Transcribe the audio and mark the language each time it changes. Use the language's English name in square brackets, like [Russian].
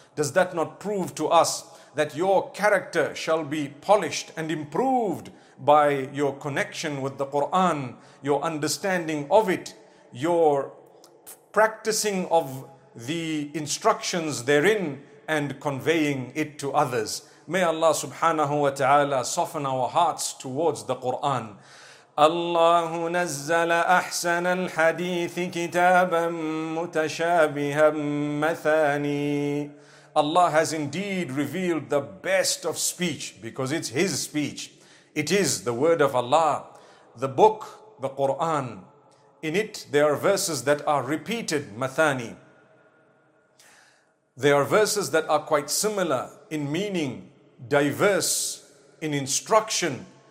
[English] Does that not prove to us that your character shall be polished and improved by your connection with the Quran, your understanding of it, your practicing of the instructions therein and conveying it to others? May Allah subhanahu wa ta'ala soften our hearts towards the Quran. [Arabic] الله نزل أحسن الحديث كتابا متشابها مثاني. [English] Allah has indeed revealed the best of speech because it's His speech. It is the word of Allah, the book, the Quran. In it, there are verses that are repeated, mathani. There are verses that are quite similar in meaning, diverse in instruction.